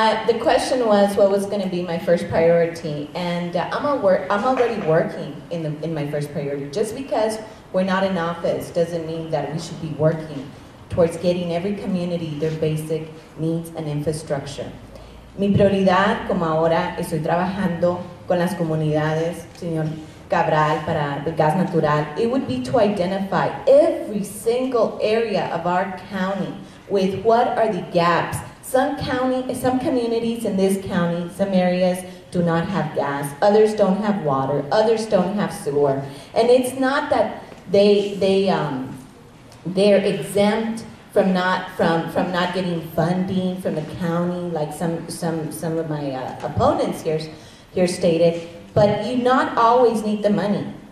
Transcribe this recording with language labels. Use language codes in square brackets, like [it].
[en] The question was, what was going to be my first priority? And I'm already working in my first priority. Just because we're not in office doesn't mean that we should be working towards getting every community their basic needs and infrastructure. [es] Mi prioridad, como ahora, estoy trabajando con las comunidades, señor Cabral, para el gas natural. [en] It would be to identify every single area of our county with what are the gaps. Some communities in this county, some areas do not have gas, others don't have water, others don't have sewer. And it's not that they're exempt from not getting funding from the county, like some of my opponents here stated, but you not always need the money.